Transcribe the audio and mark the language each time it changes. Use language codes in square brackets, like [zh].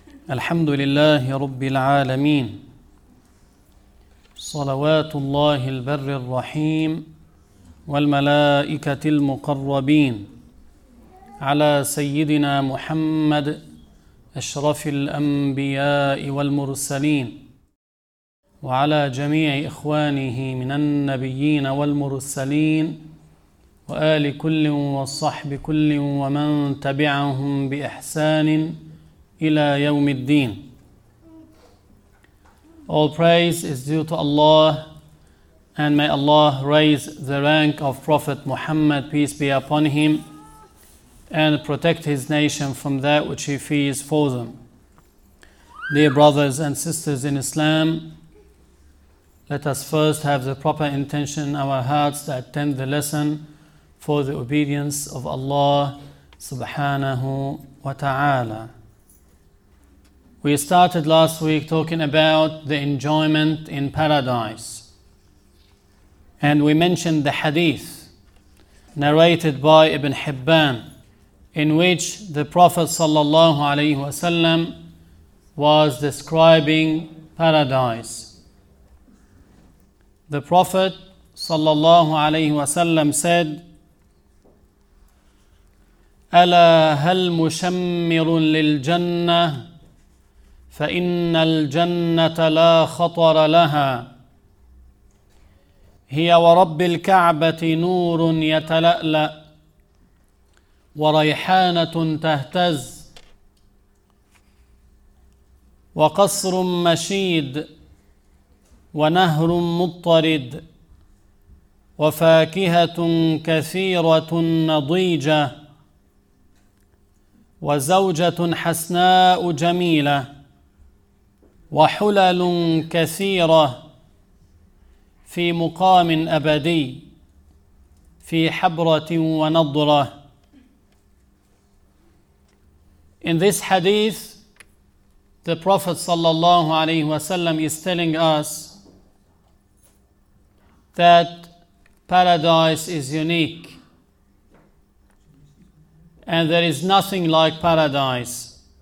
[ar] الحمد لله رب العالمين، صلوات الله البر الرحيم والملائكة المقربين على سيدنا محمد أشرف الأنبياء والمرسلين وعلى جميع إخوانه من النبيين والمرسلين وآل كل وصحب كل ومن تبعهم بإحسان إلى يوم الدين. [en] All praise is due to Allah, and may Allah raise the rank of Prophet Muhammad, peace be upon him, and protect his nation from that which he fears for them. Dear brothers and sisters in Islam, let us first have the proper intention in our hearts to attend the lesson for the obedience of Allah subhanahu wa ta'ala. We started last week talking about the enjoyment in paradise, and we mentioned the hadith narrated by Ibn Hibban, in which the Prophet sallallahu alayhi wa sallam was describing paradise. The Prophet sallallahu alayhi wa sallam said, [ar] ألا هل مشمر للجنة فإن الجنة لا خطر لها هي ورب الكعبة نور يتلألأ وريحانة تهتز وقصر مشيد ونهر مطرد وفاكهة كثيرة نضيجة وزوجة حسناء جميلة وحلل كثيرة في مقام أبدي في حبرة ونضرة. [en] In this hadith, the Prophet sallallahu alayhi wasallam is telling us that paradise is unique, and there is nothing like paradise.